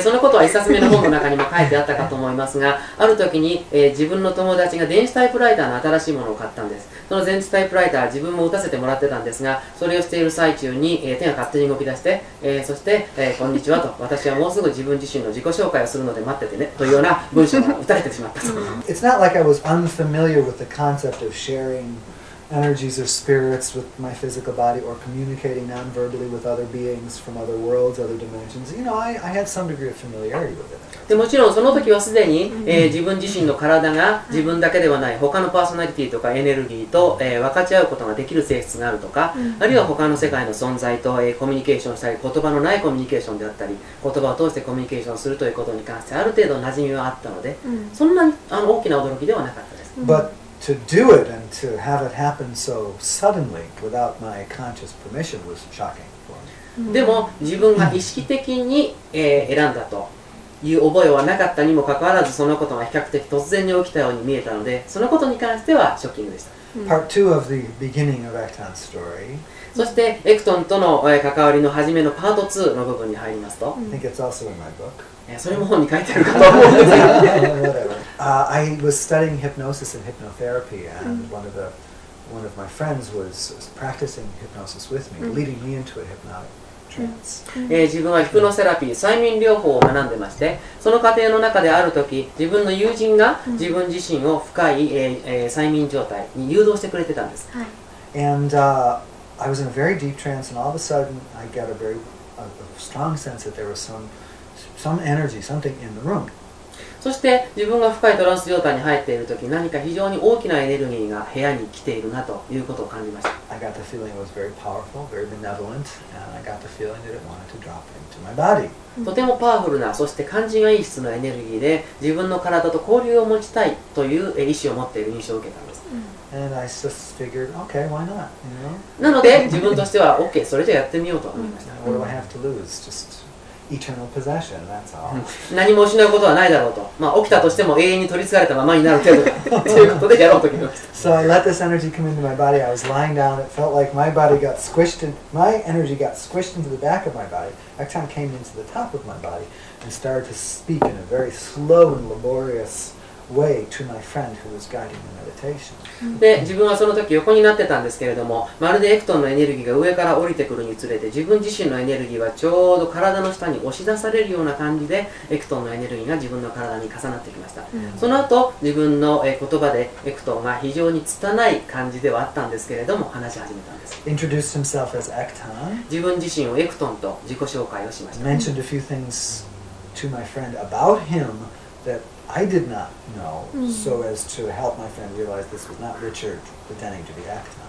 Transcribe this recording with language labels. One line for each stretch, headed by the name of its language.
Japanese: で、そのことは一冊目の本の中にも書いてあったかと思いますが、ある時に、自分の友達が電子タイプライターの新しいものを買ったんです。その電子タイプライターは自分も打たせてもらってたんですが、それをしている最中に、手が勝手に動き出して、そして、こんにちはと、私はもうすぐ自分自身の自己紹介をするので待っててね、というような文章が打たれてしまったと。
English: It's not like I was unfamiliar with the concept of sharing energies or spirits with my physical body or communicating non-verbally with other beings from other worlds, other dimensions. You know, I had some degree of familiarity with it.
Japanese: でもちろんその時はすでに、自分自身の体が自分だけではない他のパーソナリティとかエネルギーと、分かち合うことができる性質があるとか、あるいは他の世界の存在と、コミュニケーションしたり、言葉のないコミュニケーションであったり、言葉を通してコミュニケーションするということに関してある程度馴染みはあったので、そんなにあの大きな驚きではなかったです。
English: But to do it and to have it happen so suddenly without my conscious permission was shocking for me.
Japanese: でも自分が意識的に、選んだと。いう覚えはなかったにもかかわらずそのことが比較的突然に起きたように見えたのでそのことに関してはショッキングでした。
English: Part two of the beginning of Ekton's story.
Japanese: そしてエクトンとの関わりの初めのパート2の部分に入りますと。
English: I think it's also in my book.
Japanese: それも本に書いてあるかと思うんですが。
English: I was studying hypnosis and hypnotherapy and one of my friends was practicing hypnosis with me, leading me into a hypnotic.
Japanese: 自分はヒプノセラピー、催眠療法を学んでまして、その過程の中である時、自分の友人が自分自身を深い、催眠状態に誘導してくれてたんです。はい。
English: And I was in a very deep trance, and all of a sudden I got a very strong sense that there was some energy, something in the room.
Japanese: そして自分が深いトランス状態に入っている時、何か非常に大きなエネルギーが部屋に来ているなということを感じました。
English: I got the feeling it was very powerful, very benevolent, and I got the feeling that it wanted to drop into my body.
Japanese: とてもパワフルな、そして感じがいい質のエネルギーで、自分の体と交流を持ちたいという意思を持っている印象を受けたんです。
English: And I just figured, okay, why not? You know?
Japanese: なので、自分としては、OK、それじゃやってみようと思いました。
English: What do I have to lose? Just eternal possession, that's all.
Japanese: 何も失うことはないだろうと。まあ、起きたとしても永遠に取り憑かれたままになる程度ということでやろうと決めました。
English: So I let this energy come into my body. I was lying down. It felt like my energy got squished into the back of my body. Ekton came into the top of my body and started to speak in a very slow and laborious way to my friend who was guiding the meditation.
Japanese: で、自分はその時横になってたんですけれども、まるでエクトンのエネルギーが上から降りてくるにつれて、自分自身のエネルギーはちょうど体の下に押し出されるような感じで、エクトンのエネルギーが自分の体に重なってきました。その後、自分の言葉でエクトンが非常に拙い感じではあったんですけれども、話し始めたんです。
English: Introduced himself as Ekton.
Japanese: 自分自身をエクトンと自己紹介をしました。
English: Mentioned a few things to my friend about him thatI did not know, so as to help my friend realize this was not Richard pretending to be Ekton.